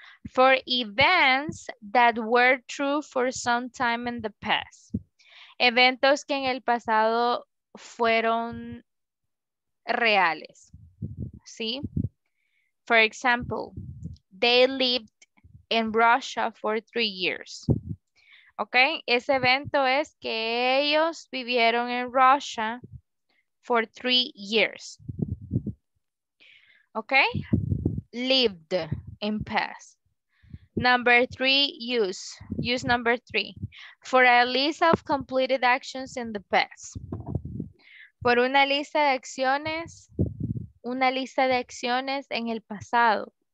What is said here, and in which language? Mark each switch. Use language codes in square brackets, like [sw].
[en] For events that were true for some time in the past. [es] Eventos que en el pasado fueron reales. ¿Sí? [en] For example, they lived in Russia for 3 years. ¿Ok? [es] Ese evento es que ellos vivieron en Russia [en] for 3 years. ¿Ok? Lived in past. Number three, use number three. For a list of completed actions in the past. [es] Por una lista de acciones en el pasado.